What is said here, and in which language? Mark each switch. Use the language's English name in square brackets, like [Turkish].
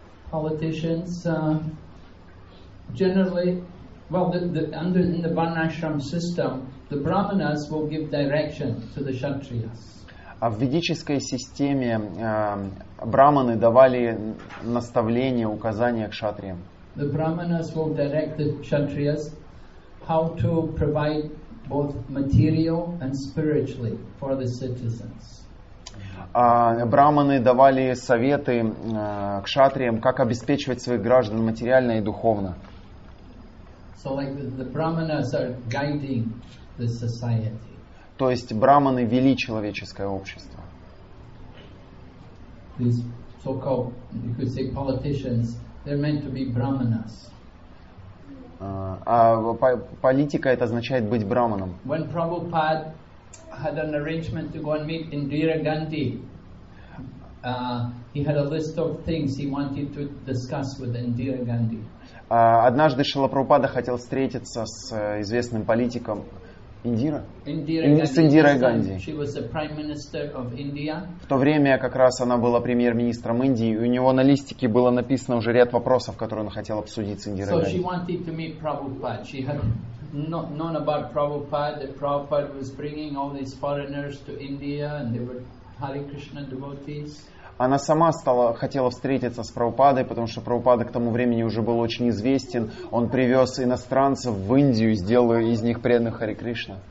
[English] Politicians generally, well, in the Varnashram system, the brahmanas will give direction to the kshatriyas. [Russian] А в ведической системе брахманы давали наставления, указания к кшатриям. [English] The brahmanas will direct the kshatriyas how to provide both material and spiritually for the citizens. [Russian] Брахманы давали советы кшатриям, как обеспечивать своих граждан материально и духовно. [English] So like the brahmanas are guiding the society. [Russian] То есть брахманы вели человеческое общество. [English] These so-called, you could say, politicians, they're meant to be brahmanas. [Russian] Политика это означает быть брахманом. [English] When Prabhupada had an arrangement to go and meet Indira Gandhi, he had a list of things he wanted to discuss with Indira Gandhi. [Russian] Однажды Шрила Прабхупада хотел встретиться с известным политиком. [English] Индира Ганди. She was the Prime Minister of India. [Russian] В то время как раз она была премьер-министром Индии, и у него на листике было написано уже ряд вопросов, которые он хотел обсудить с Индирой [English] Ганди. So she wanted to meet Prabhupada. She had known about Prabhupada, that Prabhupada was bringing all these foreigners to India, and they were Hare Krishna devotees. [Russian] Она сама хотела встретиться с Прабхупадой, потому что Прабхупада к тому времени уже был очень известен. Он привез иностранцев в Индию и сделал из них преданных Харе Кришна.